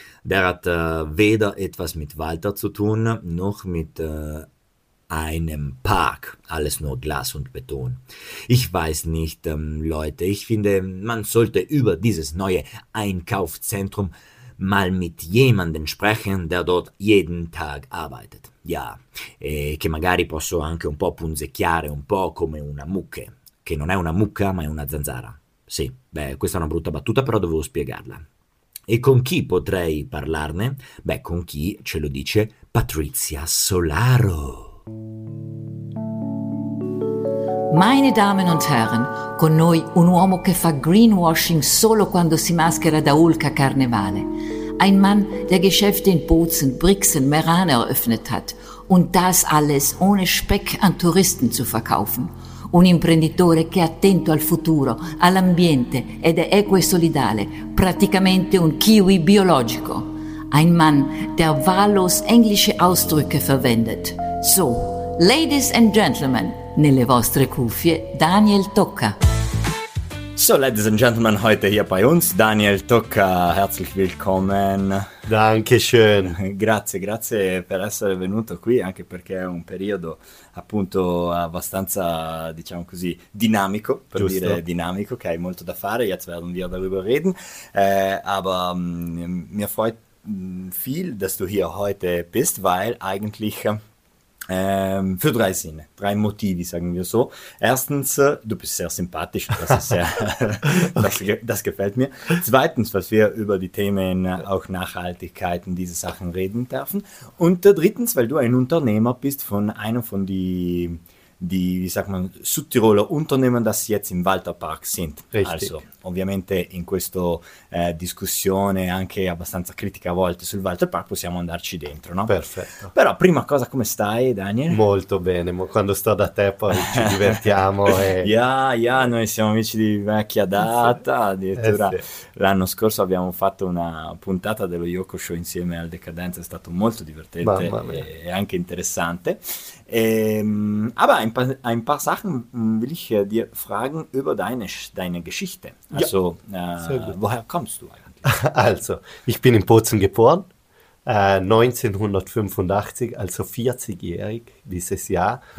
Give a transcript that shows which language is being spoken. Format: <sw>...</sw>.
<de>Der hat weder etwas mit Walter zu tun, noch mit einem Park. Alles nur Glas und Beton. Ich weiß nicht, Leute, ich finde, man sollte über dieses neue Einkaufszentrum mal mit jemandem sprechen, der dort jeden Tag arbeitet.</de> <it>Ja, che magari posso anche un po' punzecchiare, un po' come una mucca. Che non è una mucca, ma è una zanzara. Sì, beh, questa è una brutta battuta, però dovevo spiegarla. E con chi potrei parlarne? Beh, con chi ce lo dice Patrizia Solaro. Meine Damen und Herren, con noi un uomo che fa greenwashing solo quando si maschera da Hulk a carnevale.</it> <de>Ein Mann, der Geschäfte in Bozen, Brixen, Meran eröffnet hat. Und das alles ohne Speck an Touristen zu verkaufen.</de> <it>Un imprenditore che è attento al futuro, all'ambiente ed è equo e solidale. Praticamente un Kiwi biologico.</it> <de>Ein Mann, der wahllos englische Ausdrücke verwendet.</de> <it>So, ladies and gentlemen, nelle vostre cuffie, Daniel Tocca.</it> <de>So, ladies and gentlemen, heute hier bei uns, Daniel Tocca, herzlich willkommen. Dankeschön.</de> <it>Grazie per essere venuto qui, anche perché è un periodo appunto abbastanza, diciamo così, dinamico, per Giusto. Dire dinamico, che hai molto da fare, jetzt werden wir darüber reden, aber mir freut</it> <de>viel, dass du hier heute bist, weil eigentlich für drei Sinne, drei Motive, sagen wir so. Erstens, du bist sehr sympathisch, das ist sehr, das gefällt mir. Zweitens, was wir über die Themen auch Nachhaltigkeit und diese Sachen reden dürfen. Und drittens, weil du ein Unternehmer bist von einem von die, wie sagt man, Südtiroler Unternehmen, das jetzt im Walterpark sind. Richtig.</de> <it>Also, ovviamente in questa discussione anche abbastanza critica a volte sul Walterpark possiamo andarci dentro, no? Perfetto. Però, prima cosa, come stai, Daniel? Molto bene, quando sto da te poi ci divertiamo. E... noi siamo amici di vecchia data, addirittura sì. L'anno scorso abbiamo fatto una puntata dello Yoko Show insieme al Decadenza, è stato molto divertente. Mamma mia. E anche interessante.</it> <de>Aber ein paar Sachen will ich dir fragen über deine Geschichte. Also, woher kommst du eigentlich? Also, ich bin in Bozen geboren, 1985, also 40-jährig dieses Jahr.</de>